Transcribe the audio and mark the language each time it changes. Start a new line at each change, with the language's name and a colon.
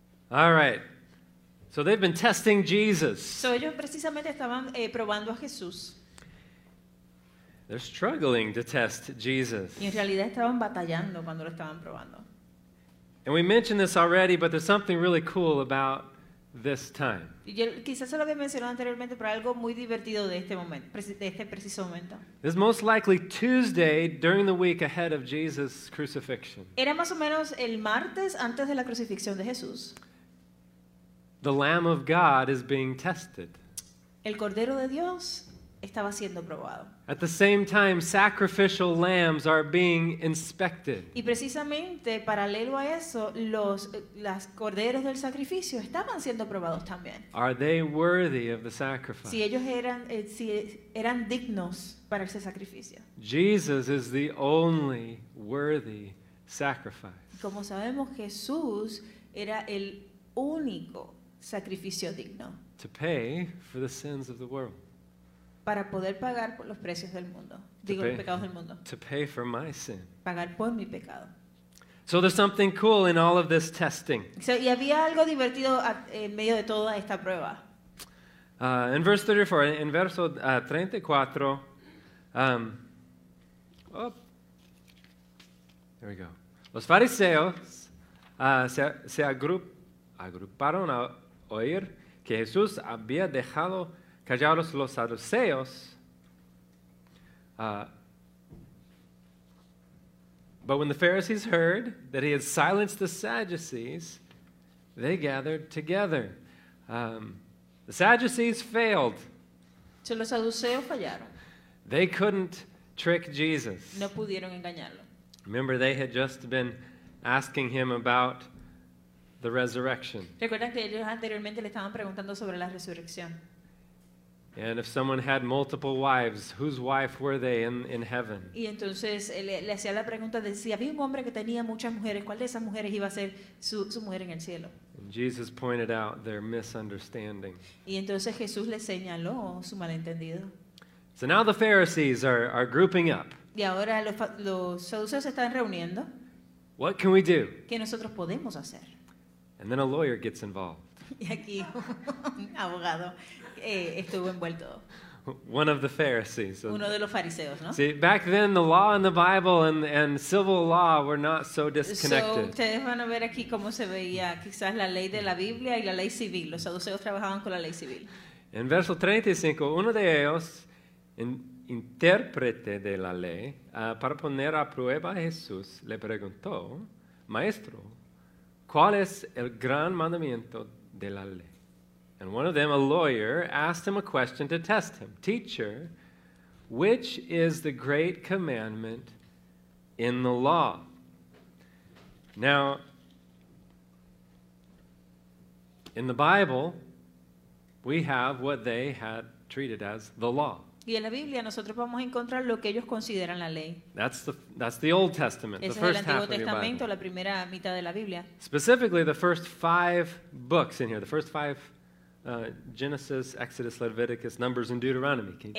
English: All right. So they've been testing Jesus.
Spanish: So ellos precisamente estaban probando a Jesús.
English: They're struggling to test Jesus.
Spanish: Y en realidad estaban batallando cuando lo estaban probando.
English: And we mentioned this already, but there's something really cool about this time.
Spanish: Yo quizás se lo había mencionado anteriormente, pero algo muy divertido de este momento, de este preciso momento.
English: It's most likely Tuesday during the week ahead of Jesus' crucifixion.
Spanish: Era más o menos el martes antes de la crucifixión de Jesús.
English: The Lamb of God is being tested.
Spanish: El Cordero de Dios estaba siendo probado.
English: At the same time, sacrificial lambs are being inspected.
Spanish: Y precisamente, paralelo a eso, las corderos del sacrificio estaban siendo probados también.
English: Are they worthy of the sacrifice?
Spanish: Si ellos eran dignos para ese sacrificio.
English: Jesus is the only worthy sacrifice.
Spanish: Como sabemos, Jesús era el único sacrificio digno.
English: To pay for the sins of the world.
Spanish: Para poder pagar por los precios del mundo, los pecados del mundo.
English: To pay for my sin.
Spanish: Pagar por mi pecado.
English: So there's something cool in all of this testing.
Spanish: Y había algo divertido en medio de toda esta prueba.
English: In verse 34, Oh. There we go.
Spanish: Los fariseos se agruparon a oír que Jesús había dejado callados los saduceos.
English: But when the Pharisees heard that he had silenced the Sadducees, they gathered together. The Sadducees failed.
Spanish: So los saduceos fallaron.
English: They couldn't trick Jesus.
Spanish: No pudieron engañarlo.
English: Remember, they had just been asking him about the resurrection.
Spanish: ¿Recuerdan que ellos anteriormente le estaban preguntando sobre la resurrección?
English: And if someone had multiple wives, whose wife were they in heaven?
Spanish: Y entonces le hacía la pregunta de si había un hombre que tenía muchas mujeres, ¿cuál de esas mujeres iba a ser su mujer en el cielo?
English: And Jesus pointed out their misunderstanding.
Spanish: Y entonces Jesús le señaló su malentendido.
English: So now the Pharisees are grouping up.
Spanish: Y ahora los saduceos se están reuniendo.
English: What can we do?
Spanish: ¿Qué nosotros podemos hacer?
English: And then a lawyer gets involved.
Spanish: Y aquí un abogado estuvo envuelto.
English: One of the Pharisees.
Spanish: Uno de los fariseos, ¿no?
English: See, back then the law and the Bible and civil law were not so disconnected.
Spanish: So ustedes van a ver aquí cómo se veía quizás la ley de la Biblia y la ley civil. Los saduceos trabajaban con la ley civil. En verso 35, uno de ellos, intérprete de la ley, para poner a prueba a Jesús, le preguntó, Maestro, ¿cuál es el gran mandamiento de la ley?
English: And one of them, a lawyer, asked him a question to test him. Teacher, which is the great commandment in the law? Now, in the Bible, we have what they had treated as the law.
Spanish: Y en la Biblia nosotros vamos a encontrar lo que ellos consideran la ley.
English: That's the Old Testament,
Spanish: ese
English: the first
Spanish: es el Antiguo
English: half
Spanish: Testamento,
English: of the
Spanish: la primera mitad de la Biblia.
English: Specifically, the first five books in here, the first five, Genesis, Exodus, Leviticus, Numbers, and Deuteronomy.